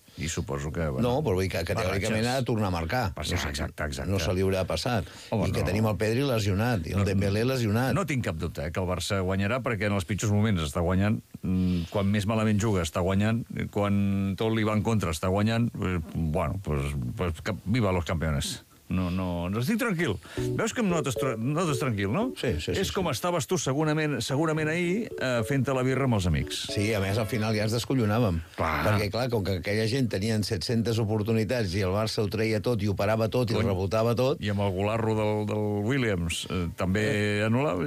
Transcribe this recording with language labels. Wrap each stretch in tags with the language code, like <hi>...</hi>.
<ca>I suposo que... Bueno, no, però vull dir que teòricament ha de tornar a marcar. Exacte. No se li haurà passat. Home, i que no. Tenim el Pedri lesionat, i el Dembélé lesionat. No tinc cap dubte que el Barça guanyarà, perquè en els pitjors moments està guanyant. Quan més malament juga, està guanyant. Quan tot li va en contra, està guanyant.</ca> <es>Bueno, pues viva los campeones.</es> <ca>No, estic tranquil. Veus que notes tranquil, no? Sí. És com estaves tu segurament ahir fent-te la birra amb els amics. Sí, a més, al final ja ens descollonàvem. Clar. Perquè, clar, com que aquella gent tenien 700 oportunitats i el Barça ho treia tot i ho parava tot i ho rebotava tot... I amb el golarro del Williams també anul·lava...</ca>